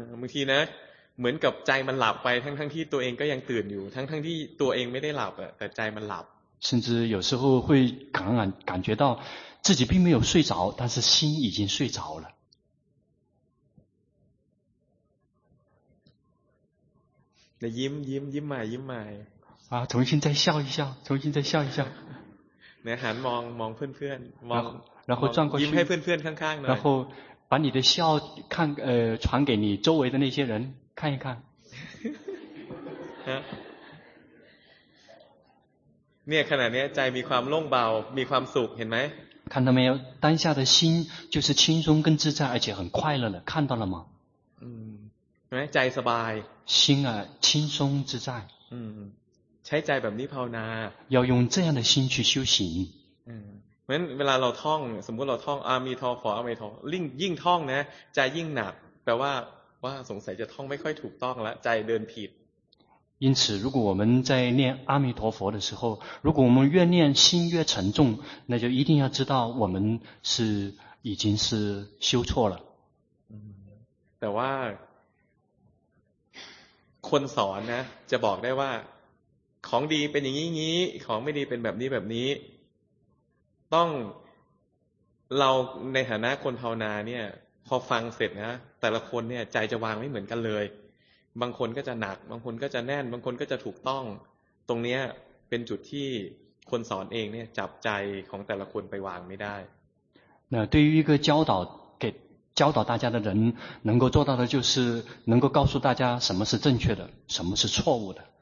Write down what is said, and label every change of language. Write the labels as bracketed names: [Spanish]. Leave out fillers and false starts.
[Chinese] 问题呢， [Thai] เหมือนกับใจมันหลับไปทั้งที่ตัวเองก็ยังตื่นอยู่ทั้งที่ตัวเองไม่ได้หลับแต่ใจมันหลับ [Chinese] 甚至有时候会感觉到自己并没有睡着，但是心已经睡着了。那阴阴阴霾阴霾啊！重新再笑一笑，重新再笑一笑。那还望望朋友们，望然后转过去，给朋友们看看。然后把你的笑看传给你周围的那些人看一看。 [Thai] เนี่ยขณะนี้ใจมีความโล่งเบามีความสุขเห็นไหม [Chinese] 看到没有当下的心就是轻松跟自在而且很快乐了看到了吗嗯 [Thai] เห็นไหมใจสบาย [Chinese] 心啊轻松自在 [Thai] 嗯ใช้ใจแบบนี้ภาวนา [Chinese] 要用这样的心去修行 [Thai] 嗯เวลาเราท่องสมมติเราท่องอามีทอขออามีทอยิ่งท่องนะใจยิ่งหนักแปลว่าสงสัยจะท่องไม่ค่อยถูกต้องละใจเดินผิด [Chinese] 因此如果我们在念阿弥陀佛的时候如果我们越念心越沉重那就一定要知道我们是已经是修错了 [Thai] แต่ว่าคนสอนนะจะบอกได้ว่าของดีเป็นอย่างนี้ของไม่ดีเป็นแบบนี้แบบนี้ต้องเราในฐานะคนภาวนาเนี่ยพอฟังเสร็จนะแต่ละคนเนี่ยใจจะวางไม่เหมือนกันเลยบางคนก็จะหนักบางคนก็จะแน่นบางคนก็จะถูกต้องตรงนี้เป็นจุดที่คนสอนเองเนี่ยจับใจของแต่ละคนไปวางไม่ได้ [Chinese] 那对于一个教导给教导大家的人能够做到的就是能够告诉大家什么是正确的什么是错误的